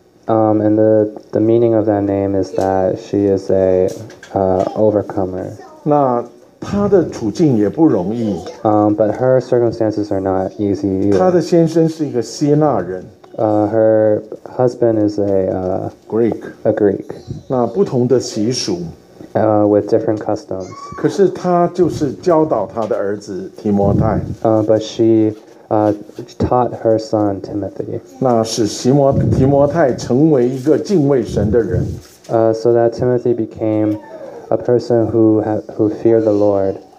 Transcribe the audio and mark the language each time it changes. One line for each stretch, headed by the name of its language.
English: And the meaning of that name is that she is a overcomer.
Chinese: 那她的处境也不容易。
English: But her circumstances are not easy either.
Chinese: 她的先生是一个希腊人。
English: Her husband is a Greek. A Greek.
Chinese: 那不同的习俗。
English: With different customs.
Chinese: 可是她就是教导她的儿子提摩太。
English: But she. Taught her son Timothy.
Chinese: 那使提摩太成为一个敬畏神的人。
English: So that Timothy became a person who feared the Lord.